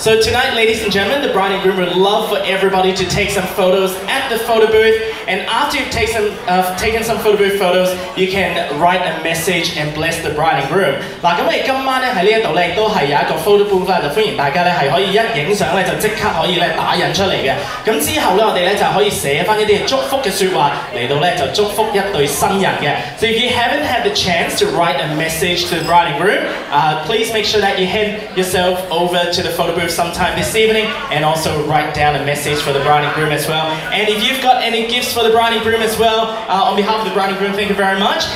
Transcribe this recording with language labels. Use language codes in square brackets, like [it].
[en] So tonight, ladies and gentlemen, the bride and groom would love for everybody to take some photos at the photo booth, And after you've taken some photo booth photos, you can write a message and bless the bride and groom. [zh] 今晚在这里也是有一个 photo booth, 欢迎大家可以一拍照就立刻可以打印出来。之后我们就可以写一些祝福的说话来祝福一对新人。 [en] So if you haven't had the chance to write a message to the bride and groom, please make sure that you hand yourself over to the photo booth sometime this evening and also write down a message for the bride and groom as well. And if you've got any gifts for the bride and groom as well, on behalf of the bride and groom, thank you very much.